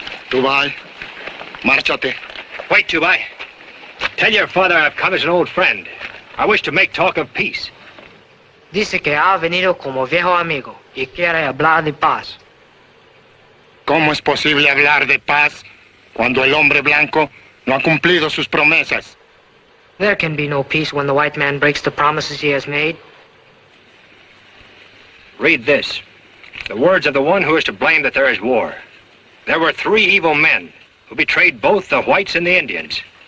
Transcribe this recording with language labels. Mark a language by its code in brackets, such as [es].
[es] Dubai. Marchate. [en] Wait, Dubai. Tell your father I've come as an old friend. I wish to make talk of peace. [es] Dice que ha venido como viejo amigo y quiere hablar de paz. ¿Cómo es posible hablar de paz cuando el hombre blanco no ha cumplido sus promesas? [en] There can be no peace when the white man breaks the promises he has made. Read this. The words of the one who is to blame that there is war. There were three evil men who betrayed both the whites and the Indians.